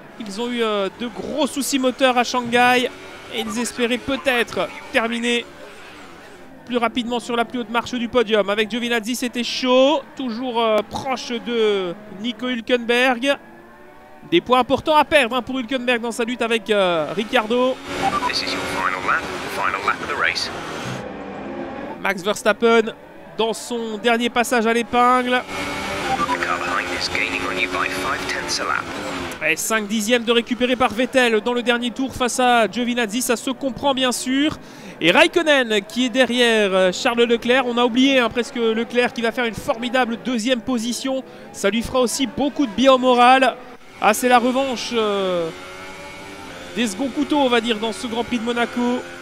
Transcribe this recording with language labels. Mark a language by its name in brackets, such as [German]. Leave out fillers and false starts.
[French] Ils ont eu de gros soucis moteurs à Shanghai et ils espéraient peut-être terminer plus rapidement sur la plus haute marche du podium. Avec Giovinazzi, c'était chaud, toujours proche de Nico Hülkenberg. Des points importants à perdre pour Hülkenberg dans sa lutte avec Ricciardo. [English] This is your final lap of the race. [French] Max Verstappen dans son dernier passage à l'épingle. [English] The car behind is gaining on you by 5/10 a lap. [French] Et 5 dixièmes de récupéré par Vettel dans le dernier tour face à Giovinazzi, ça se comprend bien sûr. Et Raikkonen qui est derrière Charles Leclerc, on a oublié presque Leclerc qui va faire une formidable deuxième position. Ça lui fera aussi beaucoup de bien au moral. Ah, c'est la revanche des seconds couteaux, on va dire, dans ce Grand Prix de Monaco.